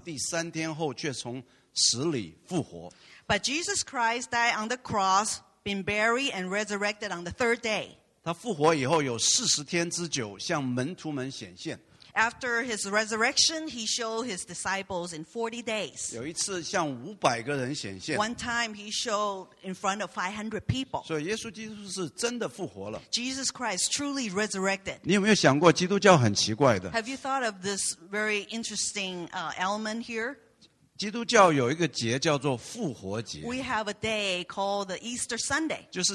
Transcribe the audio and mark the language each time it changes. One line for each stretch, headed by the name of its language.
Chinese: 可是耶稣基督被钉死了被埋葬了第三天后却从死里复活。
English: But Jesus Christ died on the cross, been buried and resurrected on the third day.
Chinese: 他复活以后有40天之久向门徒们显现。
English: After his resurrection, he showed his disciples in 40 days.
Chinese: 有一次向500个人显现。
English: One time he showed in front of 500 people.
Chinese: 所以耶稣基督是真的复活了。
English: Jesus Christ truly resurrected.
Chinese: 你有没有想过基督教很奇怪的?
English: Have you thought of this very interesting element here?
Chinese: 基督教有一个节叫做复活节。
English: We have a day called the Easter Sunday.